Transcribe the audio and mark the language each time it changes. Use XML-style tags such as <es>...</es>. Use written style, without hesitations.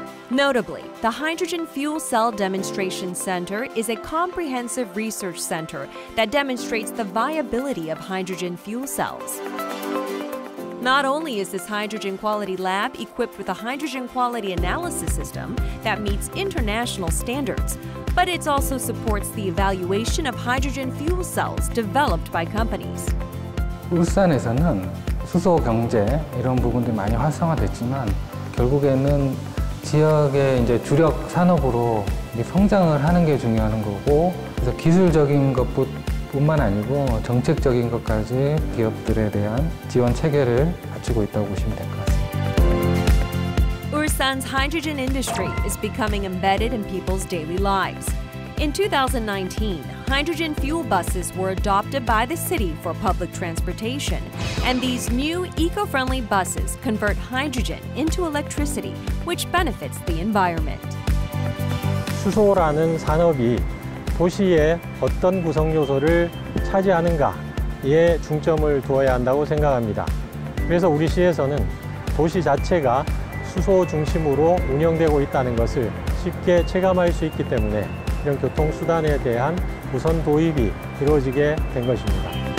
<en>Notably, the Hydrogen Fuel Cell Demonstration Center is a comprehensive research center that demonstrates the viability of hydrogen fuel cells. Not only is this hydrogen quality lab equipped with a hydrogen quality analysis system that meets international standards, but it also supports the evaluation of hydrogen fuel cells developed by companies.</en> <ko>울산에서는 수소 경제 이런 부분들이 많이 활성화됐지만 결국에는 지역의 이제 주력 산업으로 이제 성장을 하는 게 중요한 거고 그래서 기술적인 것부터 뿐만 아니고 정책적인 것까지 기업들에 대한 지원 체계를 갖추고 있다고 보시면 될 것 같습니다.</ko> <en>Ulsan's hydrogen industry is becoming embedded in people's daily lives. In 2019, hydrogen fuel buses were adopted by the city for public transportation, and these new eco-friendly buses convert hydrogen into electricity, which benefits the environment.</en> <ko>수소라는 산업이 도시의 어떤 구성 요소를 차지하는가에 중점을 두어야 한다고 생각합니다. 그래서 우리 시에서는 도시 자체가 수소 중심으로 운영되고 있다는 것을 쉽게 체감할 수 있기 때문에 이런 교통수단에 대한 우선 도입이 이루어지게 된 것입니다.</ko>